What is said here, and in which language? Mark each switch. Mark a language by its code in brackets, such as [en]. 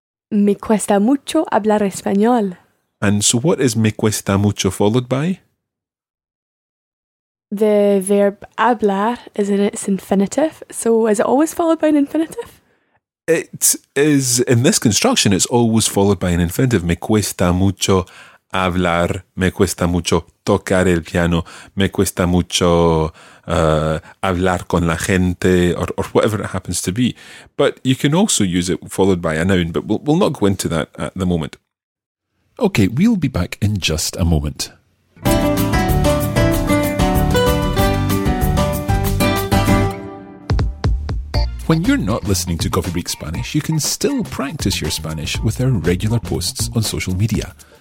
[es] Me cuesta mucho hablar español. [en] And so what is me cuesta mucho followed by? The verb hablar is in its infinitive. So is it always followed by an infinitive? It is, in this construction, it's always followed by an infinitive. [es] Me cuesta mucho hablar, me cuesta mucho tocar el piano, me cuesta mucho hablar con la gente, [en] or whatever it happens to be. But you can also use it followed by a noun, but we'll not go into that at the moment. Okay, we'll be back in just a moment. When you're not listening to Coffee Break Spanish, you can still practice your Spanish with our regular posts on social media.